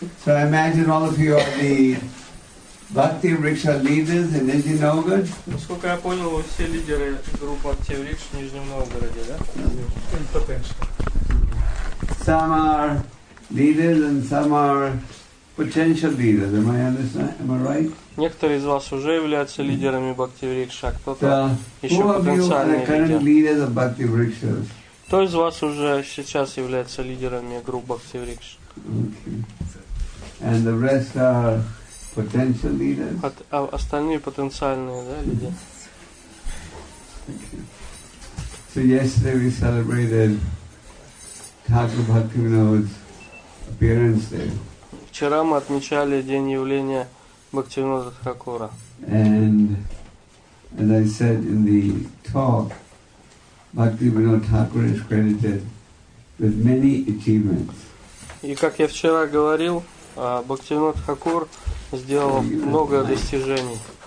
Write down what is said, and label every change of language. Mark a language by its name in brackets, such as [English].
[English] So I imagine all of you are the Bhakti Riksha leaders in Nizhny Novgorod. [Russian] Насколько я понял, вы все лидеры группы Bhakti Riksha в Нижнем Новгороде, да? [English] Some are leaders and some are potential leaders. Am I understand? Am I right? [Russian] Некоторые из вас уже являются лидерами Bhakti Riksha, кто-то еще потенциальные лидеры. [English] Who are the current leaders of Bhakti Riksha? [Russian] Кто из вас уже сейчас является лидерами группы Bhakti Riksha? [English] And the rest are potential leaders. [Russian] От, а остальные потенциальные, да, люди. [English] So yesterday we celebrated Thakur Bhaktivinoda's appearance there. [Russian] Вчера мы отмечали день явления Бхактивинода Тхакура. [English] And as I said in the talk, Bhaktivinoda Thakur is credited with many achievements. [Russian] И как я вчера говорил, Бхактивинода Тхакур сделал много достижений.